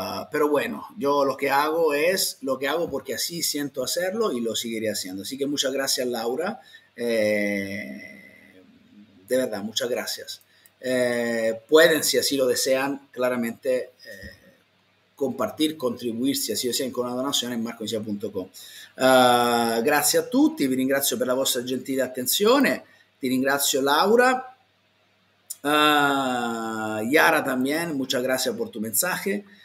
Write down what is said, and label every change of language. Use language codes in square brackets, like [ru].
[es] Pero bueno, yo lo que hago es, lo que hago porque así siento hacerlo y lo seguiré haciendo. Así que muchas gracias, Laura. De verdad, muchas gracias. Pueden, si así lo desean, claramente compartir, contribuir, si así lo desean, con una donazione en marcoinsia.com. [it] Grazie a tutti, vi ringrazio per la vostra gentile attenzione. Ti ringrazio, Laura. [es] Yara también, muchas gracias por tu mensaje.